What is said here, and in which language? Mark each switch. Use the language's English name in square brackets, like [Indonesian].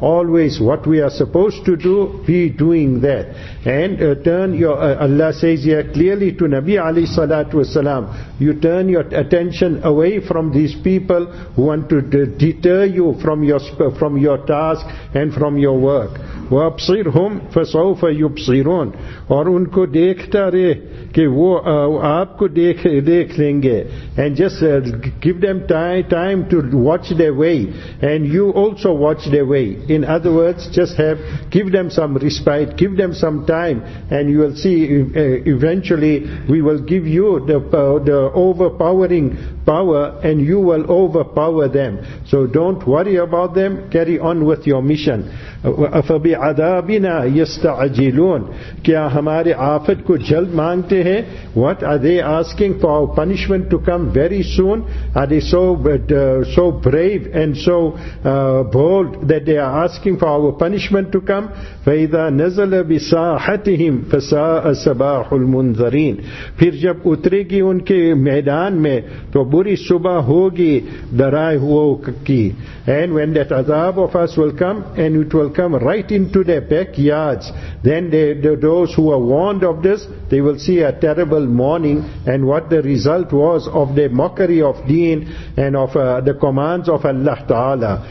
[English] Always what we are supposed to do, be doing that. And turn your Allah says here clearly to Nabi Ali Salatu Wasalam, you turn your attention away from these people who want to deter you from your task and from your work. [Arabic] وَأَبْصِرْهُمْ فَسَوْفَ يُبْصِرُونَ. [Urdu] اور ان کو دیکھتا رہے کہ وہ آپ کو دیکھ لیں گے. [English] And just give them time to watch their way, and you also watch their way. In other words, just give them some respite, give them some time, and you will see eventually we will give you the overpowering power, and you will overpower them. So don't worry about them, carry on with your mission. [Arabic] أَفَبِعَذَابِنَا يَسْتَعَجِلُونَ. [Urdu] کیا ہمارے آفت کو جلد مانگتے ہیں؟ [English] What are they asking for our punishment to come very soon? Are they so brave and so bold that they are asking for our punishment to come? [Arabic] فَإِذَا نَزَلَ بِسَاحَتِهِمْ فَسَاءَ صَبَاحُ الْمُنذَرِينَ. [Urdu] پھر جب اترے گی ان کے میدان میں تو بری صبح ہوگی درائے ہوو کی. [English] And when that azab of us will come, and it will come right into their backyards, then those who are warned of this, they will see a terrible mourning, and what the result was of their mockery of deen and of the commands of Allah Ta'ala.